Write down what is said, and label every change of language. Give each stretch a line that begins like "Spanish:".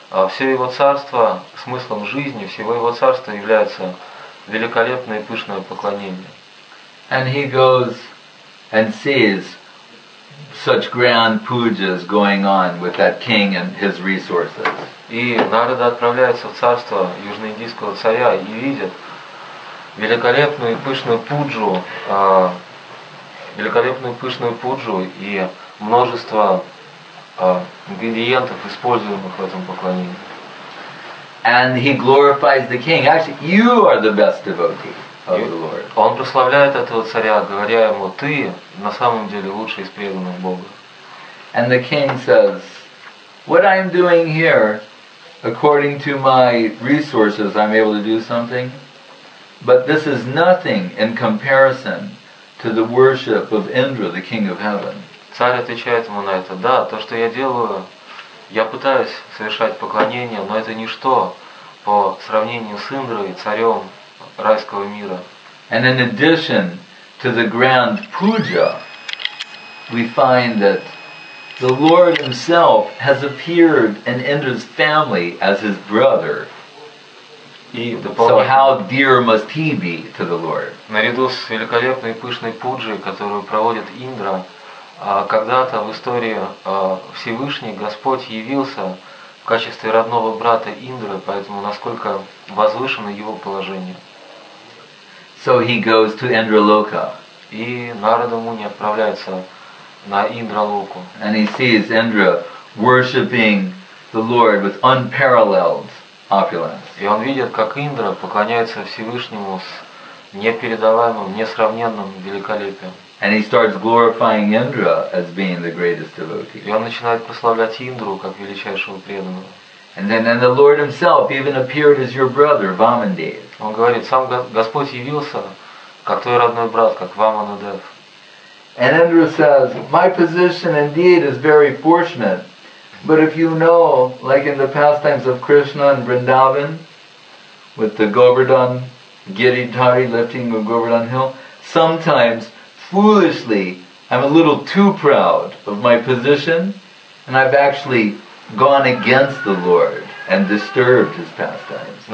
Russian: Все его царство, смыслом жизни, всего его царства является великолепное и пышное поклонение."
English: And he goes and sees such grand pujas going on with that king and his resources.
Russian: И Нарада отправляется в царство южноиндийского царя и видит великолепную и пышную пуджу, великолепную пышную пуджу и множество ингредиентов, используемых в этом поклонении.
English: And he glorifies the king. Actually, you are the best devotee of the Lord.
Russian: Он прославляет этого царя, говоря ему: "Ты на самом деле лучший из преданных Бога."
English: And the king says, "What I'm doing here, according to my resources, I'm able to do something, but this is nothing in comparison to the worship of Indra, the king of heaven."
Russian: Царь отвечает ему на это: "Да, то, что я делаю, я пытаюсь совершать поклонение, но это ничто по сравнению с Индрой, царем райского мира."
English: And in addition to the grand puja, we find that the Lord himself has appeared in Indra's family as his brother. So how dear must he be to the Lord?
Russian: Наряду с великолепной пышной пуджей, которую проводит Индра, когда-то в истории Всевышний Господь явился в качестве родного брата Индры, поэтому насколько возвышено его положение.
English: So he goes to Indraloka.
Russian: И Нарада Муни отправляется на Индра-локу.
English: And he sees Indra worshipping the Lord with unparalleled opulence.
Russian: И он видит, как Индра поклоняется Всевышнему с непередаваемым, несравненным великолепием.
English: And he starts glorifying Indra as being the greatest devotee.
Russian: И он начинает прославлять Индру как величайшего преданного.
English: And the Lord himself even appeared as your brother, Vamandev.
Russian: Он говорит, сам Господь явился как твой родной брат, как Vamanadev.
English: And Indra says, my position indeed is very fortunate, but if you know, like in the pastimes of Krishna and Vrindavan, with the Govardhan, Giridhari lifting the Govardhan hill, sometimes, foolishly, I'm a little too proud of my position, and I've actually gone against the Lord and disturbed his pastimes.